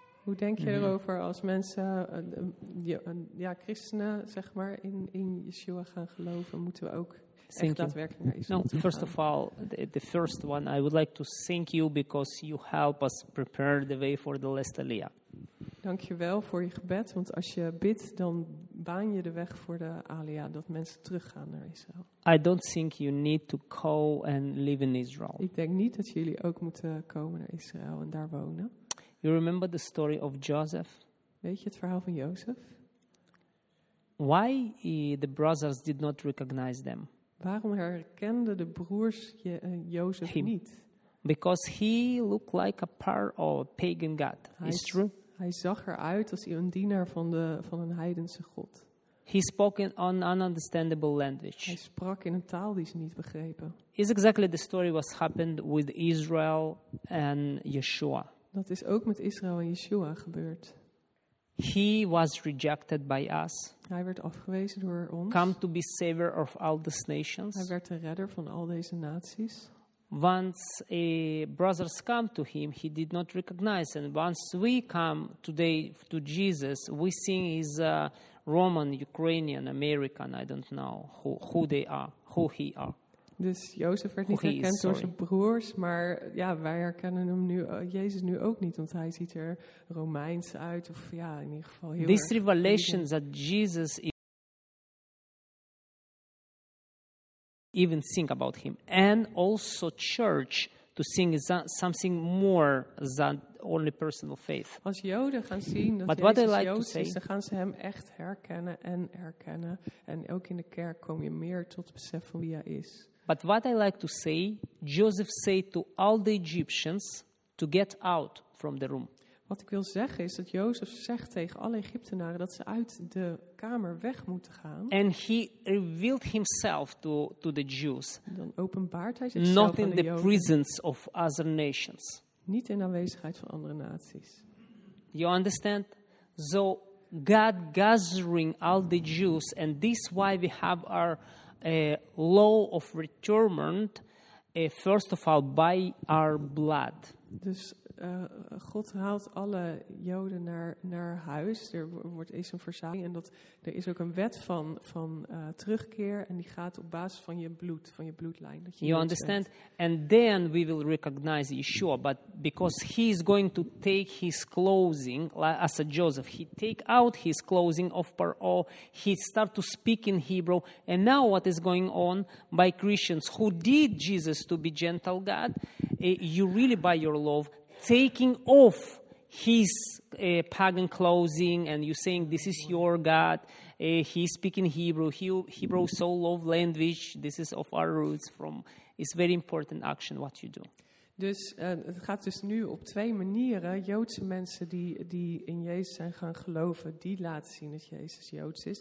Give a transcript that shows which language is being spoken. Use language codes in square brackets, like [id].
[nl] Hoe denk je erover als mensen, ja, christenen, zeg maar, in Yeshua gaan geloven? Moeten we ook [en] thank [nl] echt daadwerkelijk naar Yeshua [en] no, [nl] gaan? [en] First of all, the first one, I would like to thank you because you help us prepare the way for the last Aliyah. [nl] Dank je wel voor je gebed, want als je bidt, dan baan je de weg voor de Aliyah, dat mensen teruggaan naar Israël. [en] I don't think you need to go and live in Israel. [nl] Ik denk niet dat jullie ook moeten komen naar Israël en daar wonen. [en] You remember the story of Joseph? [nl] Weet je het verhaal van Jozef? [en] Why the brothers did not recognize them? [nl] Waarom herkenden de broers Jozef niet? [en] Because he looked like a part of a pagan god. Is true? [nl] Hij zag eruit als een dienaar van een heidense god. [en] He spoke in an ununderstandable language. [nl] Hij sprak in een taal die ze niet begrepen. [en] Is exactly the story what happened with Israel and Yeshua. [nl] Dat is ook met Israël en Yeshua gebeurd. [en] He was rejected by us. [nl] Hij werd afgewezen door ons. [en] Come to be savior of all these nations. [nl] Hij werd de redder van al deze naties. [en] Once brothers come to him, he did not recognize. And once we come today to Jesus, we see his Roman, Ukrainian, American, I don't know who they are, who he are. [nl] Dus Jozef werd niet herkend door zijn broers, maar ja, wij herkennen hem nu, Jezus nu ook niet, want hij ziet er Romeins uit, of ja, in ieder geval heel. [en] This revelation that Jesus even think about him, and also church to think is something more than only personal faith. [nl] Als Joden gaan zien dat But Jezus like Jozef is, dan gaan ze hem echt herkennen en erkennen, en ook in de kerk kom je meer tot het besef van wie hij is. [en] But what I like to say, Joseph said to all the Egyptians to get out from the room. [nl] Wat ik wil zeggen is dat Jozef zegt tegen alle Egyptenaren dat ze uit de kamer weg moeten gaan. [en] And he revealed himself to the Jews. [nl] Dan openbaart hij zichzelf aan de Joden. [en] Not in the presence of other nations. [nl] Niet in aanwezigheid van andere naties. [en] You understand? So God gathering all the Jews, and this is why we have our law of returnment, first of all, by our blood. [nl] Dus God haalt alle Joden naar huis. Er wordt eens een verzameling. En dat, er is ook een wet van terugkeer. En die gaat op basis van je bloed, van je bloedlijn. Dat je [en] you understand? And then we will recognize Yeshua. But because he is going to take his clothing, like, as a Joseph, he take out his clothing of Paro. He start to speak in Hebrew. And now what is going on by Christians who did Jesus to be gentle God, you really by your love, taking off his pagan clothing, and you saying this is your God. He's speaking Hebrew. Hebrew so love language. This is of our roots. From it's very important action what you do. [nl] Dus het gaat dus nu op twee manieren. Joodse mensen die in Jezus zijn gaan geloven, die laten zien dat Jezus Joods is.